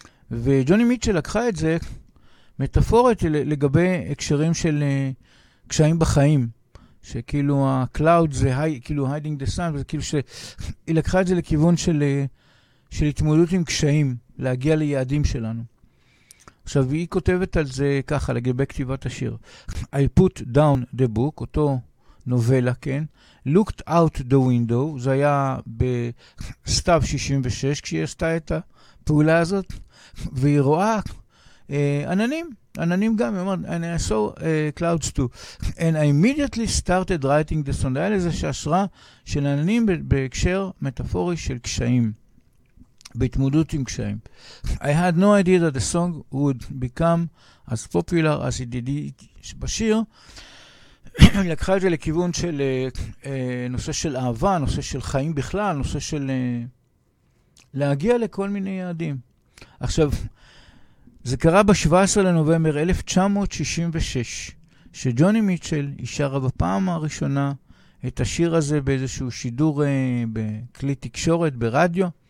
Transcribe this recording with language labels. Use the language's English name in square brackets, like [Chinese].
[Hebrew] וג'וני מיטשל לקחה את זה מטאפורית לגבי הקשרים של קשיים בחיים, שכאילו הקלאוד זה כאילו [English] hiding the sun, [Hebrew] וזה כאילו שהיא לקחה את זה לכיוון של, של התמודדות עם קשיים, להגיע ליעדים שלנו. עכשיו, היא כותבת על זה ככה, לגבי כתיבת השיר. [English] I put down the book, [Hebrew] אותו נובלה, כן? [English] looked out the window, [Hebrew] זה היה בסתיו 66 כשהיא עשתה את הפעולה הזאת, והיא רואה עננים, עננים גם, היא אומרת, [English] and I saw clouds too. And I immediately started writing the song. [Hebrew] היה לזה שהשרה של עננים בהקשר מטאפורי של קשיים, בהתמודדות עם קשיים. [English] I had no idea that the song would become as popular as it did it בשיר. [Hebrew] לקחה את זה לכיוון של נושא של אהבה, נושא של חיים בכלל, נושא של להגיע לכל מיני יעדים. עכשיו, זה קרה ב-17 לנובמבר 1966, שג'וני מיטשל השרה בפעם הראשונה את השיר הזה באיזשהו שידור בכלי תקשורת, ברדיו.